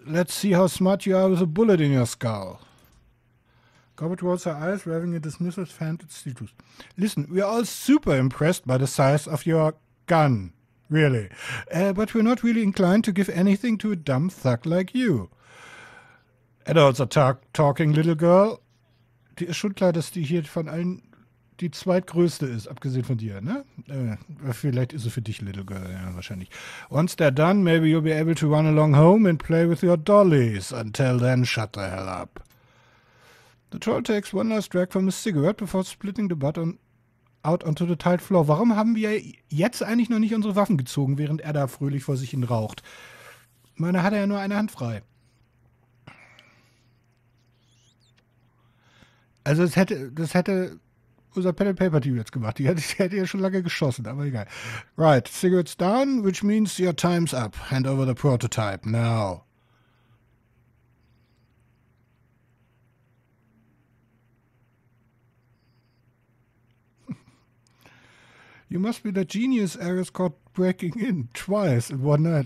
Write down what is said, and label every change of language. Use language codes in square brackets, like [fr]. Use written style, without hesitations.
[en] Let's see how smart you are with a bullet in your skull. Gobbet rolls her eyes, revving a dismissal fan at Steeltooth. Listen, we're all super impressed by the size of your gun. Really. But we're not really inclined to give anything to a dumb thug like you. Adults are talking, little girl. [de] Die ist schon klar, dass die hier von allen... die zweitgrößte ist, abgesehen von dir, ne? Vielleicht ist sie für dich, Little Girl, ja, wahrscheinlich. [en] Once they're done, maybe you'll be able to run along home and play with your dollies. Until then, shut the hell up. The troll takes one last drag from his cigarette before splitting the butt out onto the tight floor. [de] Warum haben wir jetzt eigentlich noch nicht unsere Waffen gezogen, während er da fröhlich vor sich hin raucht? Ich meine, hat er ja nur eine Hand frei. Also das hätte... Unser Pen and Paper Team jetzt gemacht. Die hätte ja schon lange geschossen, aber egal. [en] Right, cigarettes down, which means your time's up. Hand over the prototype, now. You must be the genius Ares caught breaking in twice in one night.